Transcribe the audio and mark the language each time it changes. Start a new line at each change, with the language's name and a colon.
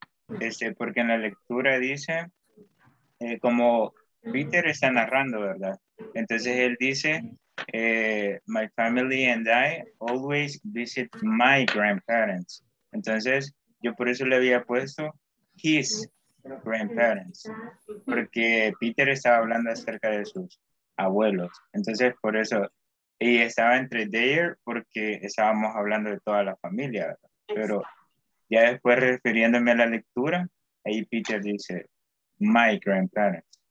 Spanish: Porque en la lectura dice, como Peter está narrando, ¿verdad? Entonces él dice...
English: my family and I always visit my grandparents.
Spanish: Entonces, yo por eso le había puesto his grandparents. Porque Peter estaba hablando acerca de sus abuelos. Entonces, por eso, y estaba entre there porque estábamos hablando de toda la familia, ¿verdad? Pero ya después refiriéndome a la lectura, ahí Peter dice, my grandparents.